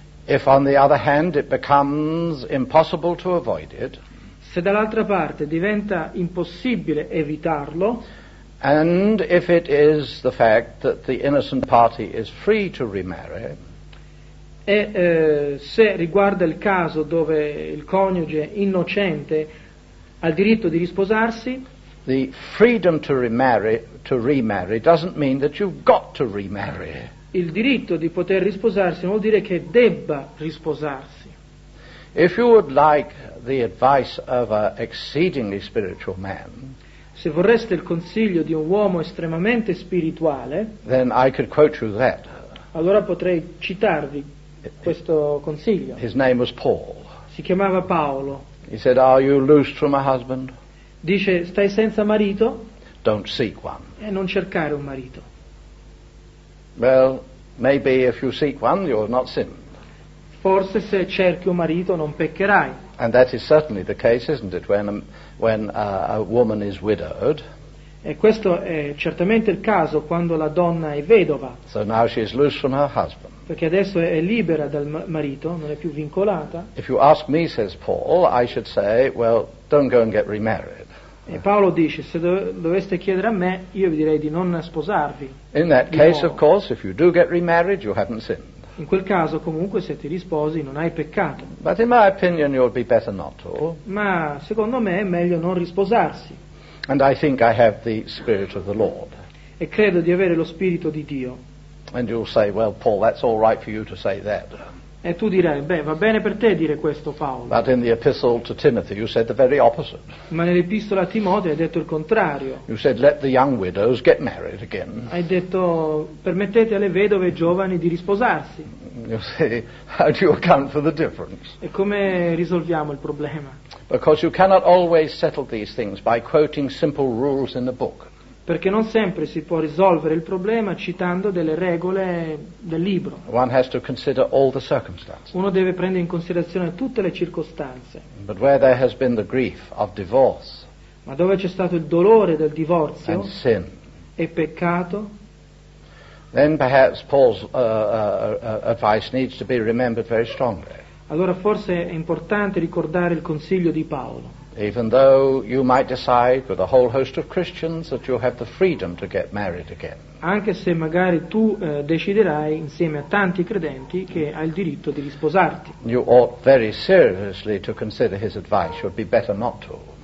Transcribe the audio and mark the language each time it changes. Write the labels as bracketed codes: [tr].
[en] If on the other hand it becomes impossible to avoid it, [it] se dall'altra parte diventa impossibile evitarlo, [en] and if it is the fact that the innocent party is free to remarry, [it] se riguarda il caso dove il coniuge innocente ha il diritto di risposarsi, [en] the freedom to remarry doesn't mean that you've got to remarry. [it] Il diritto di poter risposarsi non vuol dire che debba risposarsi. [en] If you would like the advice of an exceedingly spiritual man, [it] se vorreste il consiglio di un uomo estremamente spirituale, [en] then I could quote you that. [it] Allora potrei citarvi questo consiglio. [en] His name was Paul. [it] Si chiamava Paolo. [en] He said, "Are you loose from a husband?" [it] Dice, stai senza marito? [en] Don't seek one. [it] E non cercare un marito. [en] Well, maybe if you seek one, you're not sinned. [it] Forse se cerchi un marito non peccherai. [en] And that is certainly the case, isn't it, when a woman is widowed. [it] E questo è certamente il caso quando la donna è vedova. [en] So now she is loose from her husband. [it] Perché adesso è libera dal marito, non è più vincolata. [en] If you ask me, says Paul, I should say, well, don't go and get remarried. [it] E Paolo dice, se doveste chiedere a me, io vi direi di non sposarvi. [en] In that case, of course, if you do get remarried, you haven't sinned. [it] In quel caso, comunque, se ti risposi, non hai peccato. [en] But in my opinion, you'll be better not to. [it] Ma secondo me è meglio non risposarsi. [en] And I think I have the spirit of the Lord. [it] E credo di avere lo spirito di Dio. [en] And you'll say, well, Paul, that's all right for you to say that. [it] E tu direi, beh, va bene per te dire questo, Paolo. [en] But in the epistle to Timothy, you said the very opposite. [it] Ma nell'epistola a Timoteo hai detto il contrario. [en] You said, let the young widows get married again. [it] Hai detto, permettete alle vedove giovani di risposarsi. [en] You see, how do you account for the difference? [it] E come risolviamo il problema? [en] Because you cannot always settle these things by quoting simple rules in a book. [it] Perché non sempre si può risolvere il problema citando delle regole del libro. [en] One has to consider all the circumstances. [it] Uno deve prendere in considerazione tutte le circostanze. [en] But where there has been the grief of divorce, [it] ma dove c'è stato il dolore del divorzio [en] and sin, [it] e peccato, [en] then perhaps Paul's advice needs to be remembered very strongly. [it] Allora forse è importante ricordare il consiglio di Paolo. [en] Even though you might decide with a whole host of Christians that you have the freedom to get married again. [it] Anche se magari tu deciderai insieme a tanti credenti che hai il diritto di risposarti. [en] You ought very seriously to consider his advice. It would be better not to.